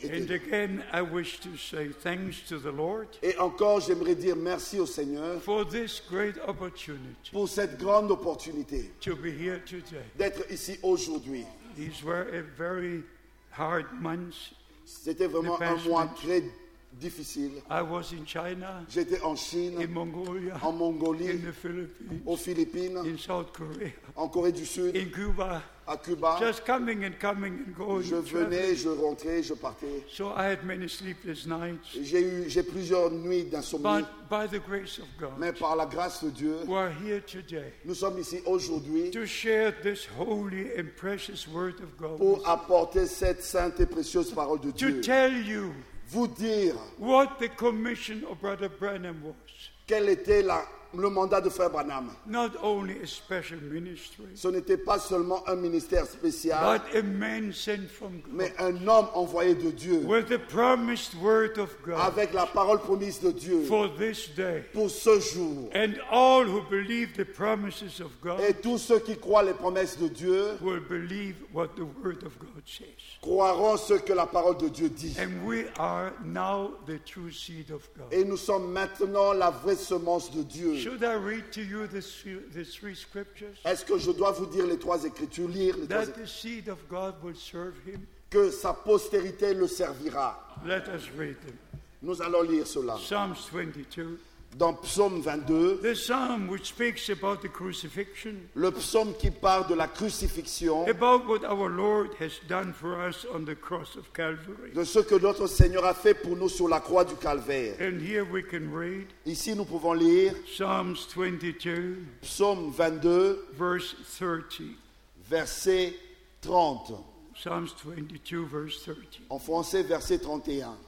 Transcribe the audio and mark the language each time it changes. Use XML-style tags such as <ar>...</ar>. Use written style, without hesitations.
<en>And again, I wish to say thanks to the Lord.</en> <fr>Et encore, j'aimerais dire merci au Seigneur.</fr> <en>For this great opportunity.</en> <fr>Pour cette grande opportunité.</fr> <en>To be here today.</en> <fr>D'être ici aujourd'hui.</fr> <en>These were a very hard months.</en> <fr>C'était vraiment un mois très difficile.</fr> <en>I was in China.</en> <fr>J'étais en Chine.</fr> <en>In Mongolia.</en> <fr>En Mongolie.</fr> <en>In the Philippines.</en> <fr>Aux Philippines.</fr> <en>In South Korea.</en> <fr>En Corée du Sud.</fr> <en>In Cuba.</en> <fr>À Cuba.</fr> <en>Just coming and coming and going.</en> <fr>Je venais, je rentrais, je partais.</fr> <en>So I had many sleepless nights.</en> <fr>J'ai plusieurs nuits d'insomnie.</fr> <en>But by the grace of God.</en> <fr>Mais par la grâce de Dieu.</fr> <en>We are here today.</en> <fr>Nous sommes ici aujourd'hui.</fr> <en>To share this holy and precious word of God.</en> <fr>Pour apporter cette sainte et précieuse parole de Dieu.</fr> <en>To tell you.</en> <fr>Vous dire.</fr> <en>What the commission of Brother Branham was.</en> <fr>Quelle était le mandat de Frère Branham.</fr> <en>Not only a special ministry,</en> <fr>ce n'était pas seulement un ministère spécial,</fr> <en>but a man sent from God,</en> <fr>mais un homme envoyé de Dieu</fr> <en>with the promised word of God,</en> <fr>avec la parole promise de Dieu</fr> <en>for this day,</en> <fr>pour ce jour.</fr> <en>And all who believe the promises of God,</en> <fr>et tous ceux qui croient les promesses de Dieu</fr> <en>will believe what the word of God says,</en> <fr>croiront ce que la parole de Dieu dit.</fr> <en>And we are now the true seed of God.</en> <fr>Et nous sommes maintenant la vraie semence de Dieu.</fr> <en>Should I read to you the three scriptures?</en> <fr>Est-ce que je dois vous dire les trois écritures, lire les</fr> <en>that</en> <fr>trois</fr> <en>the seed of God will serve him?</en> <fr>Que sa postérité le servira.</fr> <en>Let us read them.</en> <fr>Nous allons lire cela.</fr> <en>Psalms 22.</en> <fr>Dans Psaume 22.</fr> <en>The psalm which speaks about the crucifixion.</en> <fr>Le psaume qui parle de la crucifixion.</fr> <en>About what our Lord has done for us on the cross of Calvary.</en> <fr>De ce que notre Seigneur a fait pour nous sur la croix du calvaire.</fr> <en>And here we can read.</en> <fr>Ici nous pouvons lire.</fr> <en>Psalms 22.</en> <fr>Psaume 22.</fr> <en>Verse 30.</en> <fr>Verset 30.</fr> <en>Psalms 22 verse 30.</en> <fr>En français verset 31.</fr>